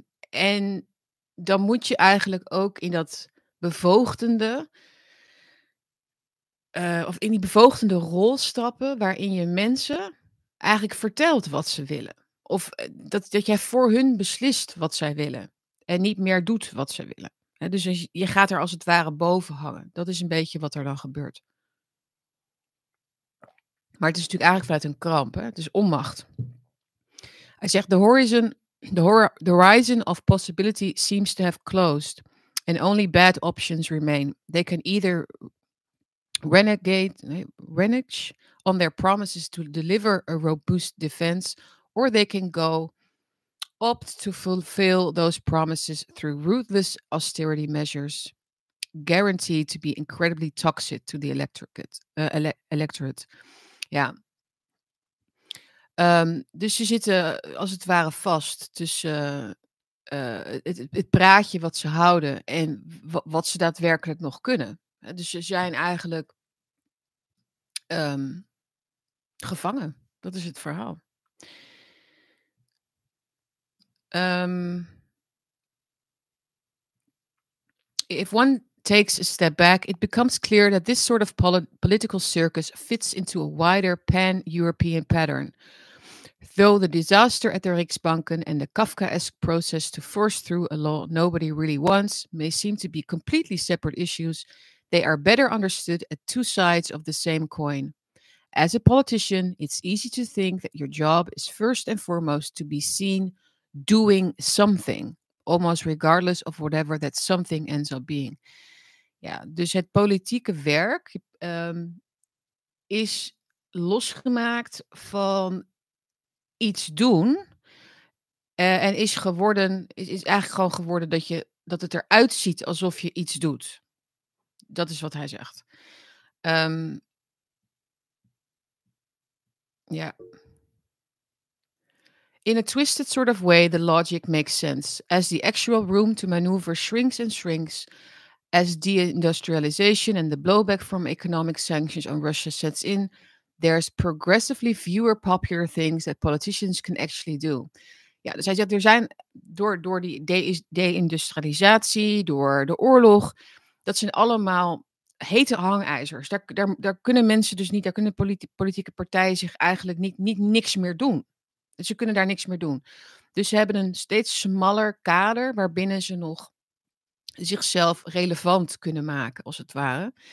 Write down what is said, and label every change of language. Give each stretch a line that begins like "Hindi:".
Dutch: En dan moet je eigenlijk ook in dat bevoogdende, of in die bevoogdende rol stappen, waarin je mensen eigenlijk vertelt wat ze willen. Of dat jij voor hun beslist wat zij willen. En niet meer doet wat ze willen. He, dus je gaat er als het ware boven hangen. Dat is een beetje wat er dan gebeurt. Maar het is natuurlijk eigenlijk vanuit een kramp. Hè? Het is onmacht. Hij zegt,
English: the horizon of possibility seems to have closed. And only bad options remain. They can either renege on their promises to deliver a robust defense, or they can go opt to fulfill those promises through ruthless austerity measures, guaranteed to be incredibly toxic to the electorate.
Dutch: Ja. Dus ze zitten als het ware vast tussen het praatje wat ze houden en wat ze daadwerkelijk nog kunnen. Dus ze zijn eigenlijk gevangen. Dat is het verhaal.
English: If one takes a step back, it becomes clear that this sort of political circus fits into a wider pan-European pattern. Though the disaster at the Riksbanken and the Kafkaesque process to force through a law nobody really wants may seem to be completely separate issues, they are better understood at two sides of the same coin. As a politician, it's easy to think that your job is first and foremost to be seen doing something, almost regardless of whatever that something ends up being.
Dutch: Ja, dus het politieke werk is losgemaakt van iets doen en is geworden, is eigenlijk gewoon geworden dat je dat het eruit ziet alsof je iets doet. Dat is wat hij zegt. Ja.
English: In a twisted sort of way, the logic makes sense. As the actual room to maneuver shrinks and shrinks, as deindustrialization and the blowback from economic sanctions on Russia sets in, there's progressively fewer popular things that politicians can actually do.
Dutch: Ja, dus hij zegt, er zijn door die deindustrialisatie, door de oorlog, dat zijn allemaal hete hangijzers. Daar kunnen mensen dus niet, daar kunnen politieke partijen zich eigenlijk niet niks meer doen. Ze kunnen daar niks meer doen. Dus ze hebben een steeds smaller kader waarbinnen ze nog zichzelf relevant kunnen maken, als het ware.